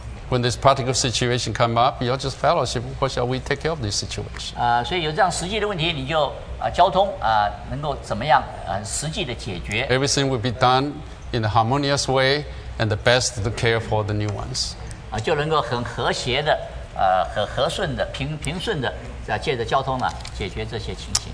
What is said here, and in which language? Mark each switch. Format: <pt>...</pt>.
<en>When this practical situation come up, you just fellowship. What shall we take care of this situation?</en> <zh>所以有这样实际的问题，你就交通能够怎么样实际的解决</zh> <en>？Everything will be done in a harmonious way and the best to care for the new ones.</en> <zh>就能够很和谐的。很和顺的平顺的啊，借着交通呢、啊，解决这些情形。</zh>